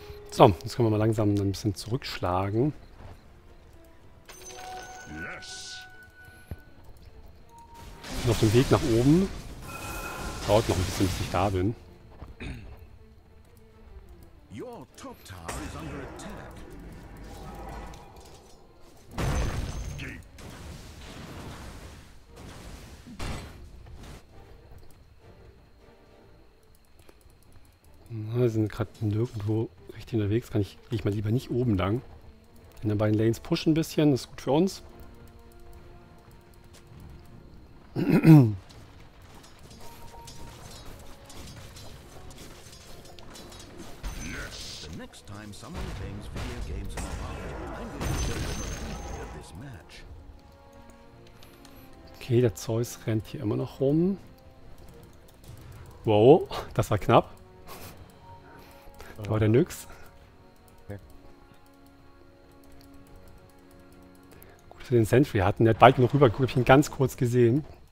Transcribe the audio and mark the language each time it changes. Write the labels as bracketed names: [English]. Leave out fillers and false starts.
[German] So, jetzt können wir mal langsam ein bisschen zurückschlagen. Auf dem Weg nach oben. Dauert noch ein bisschen, bis ich da bin. [English] Your top tower is under attack. [German] Na, wir sind gerade nirgendwo richtig unterwegs. Kann ich, gehe ich mal lieber nicht oben lang. In den beiden Lanes pushen ein bisschen, das ist gut für uns. [English] Yes. The next time someone claims video games are about, I'm going to show you the replay of this match. [German] Okay, der Zeus rennt hier immer noch rum. Wow, das war knapp. Da war der Nyx. Gut, dass wir den Sentry hatten. Der hat bald noch rüber geguckt, hab ich ihn ganz kurz gesehen.